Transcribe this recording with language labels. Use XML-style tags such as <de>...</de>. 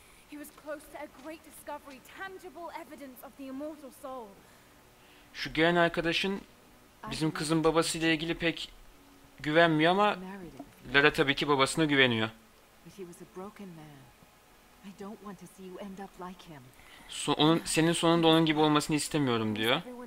<en>He was close to a great discovery, tangible evidence of the immortal soul.</en> <tr>Şu gelen arkadaşın bizim kızın babasıyla ilgili pek güvenmiyor ama Lara tabii ki babasına güveniyor.</tr> <en>I don't want to see you end up like him.</en> <tr>Senin sonun da onun gibi olmasını istemiyorum diyor.</tr>